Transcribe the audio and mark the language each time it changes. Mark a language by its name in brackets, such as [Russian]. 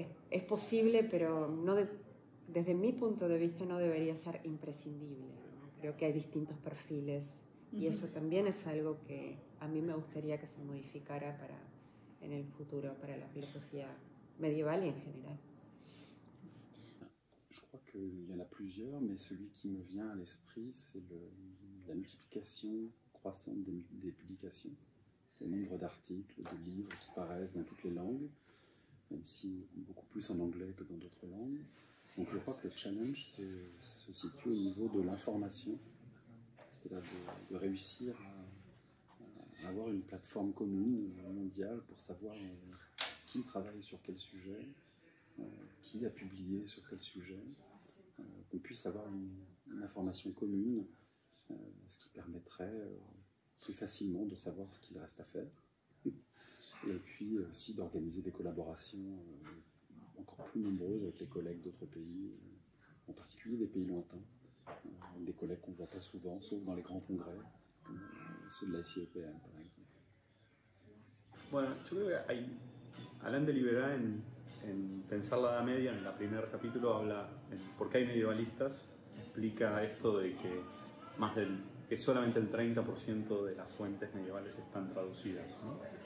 [Spanish] es posible, pero no desde mi punto de vista no debería ser imprescindible, ¿no? Creo que hay distintos perfiles y eso también es algo que a mí me gustaría que se modificara para en el futuro, para la filosofía medieval y en general. [French] Il y en a plusieurs, mais celui qui me vient à l'esprit, c'est la multiplication croissante des publications, le nombre d'articles, de livres qui paraissent dans toutes les langues, même si beaucoup plus en anglais que dans d'autres langues. Donc je crois que le challenge se situe au niveau de l'information, c'est-à-dire de réussir à avoir une plateforme commune, mondiale, pour savoir qui travaille sur quel sujet, qui a publié sur tel sujet. Qu'on puisse avoir une information commune, ce qui permettrait plus facilement de savoir ce qu'il reste à faire, et puis aussi d'organiser des collaborations encore plus nombreuses avec les collègues d'autres pays, en particulier des pays lointains, des collègues qu'on ne voit pas souvent, sauf dans les grands congrès, ceux de la SIEPM par exemple. [Spanish] Bueno, yo creo que Alain de Libera en Pensar la Edad Media, en el primer capítulo, habla en por qué hay medievalistas, explica esto de que que solamente el 30% de las fuentes medievales están traducidas, ¿no?